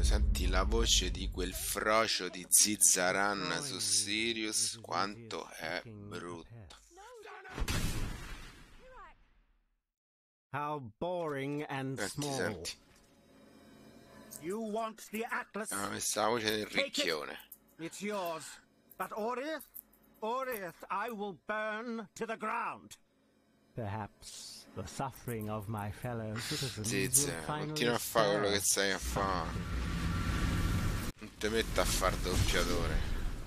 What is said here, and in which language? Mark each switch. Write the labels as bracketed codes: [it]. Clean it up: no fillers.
[it] Senti la voce di quel frocio di Zizzaran su Sirius, quanto è brutto. [en] How boring and small. [it] Senti. [en] You want the Atlas? [it] Ha messo la voce del ricchione. [en] It's yours. But Oriath, Oriath, I will burn to the ground. Perhaps the suffering of my fellow citizens will finally stop. [it] Continua a fare quello che sai a fare. Non ti metta a far doppiatore.